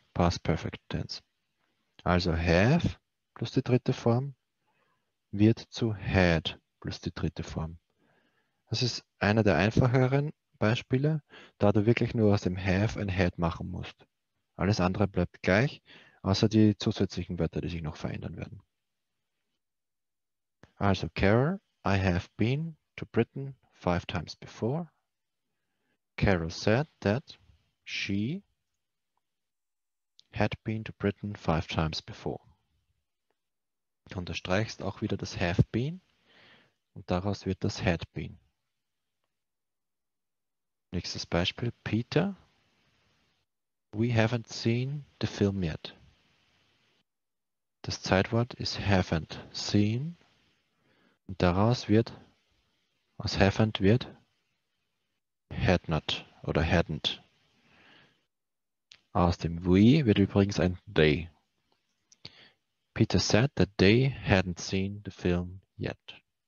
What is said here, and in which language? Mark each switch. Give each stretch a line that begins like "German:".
German: Past Perfect Tense. Also have plus die dritte Form wird zu had plus die dritte Form. Das ist einer der einfacheren Beispiele, da du wirklich nur aus dem have ein had machen musst. Alles andere bleibt gleich. Außer die zusätzlichen Wörter, die sich noch verändern werden.
English: Also, Carol, I have been to Britain 5 times before. Carol said that she had been to Britain 5 times before.
German: Du unterstreichst auch wieder das have been und daraus wird das had been. Nächstes Beispiel, Peter.
English: We haven't seen the film yet.
German: Das Zeitwort ist haven't seen. Und daraus wird, aus haven't wird, had not oder hadn't. Aus dem we wird übrigens ein they.
English: Peter said that they hadn't seen the film yet.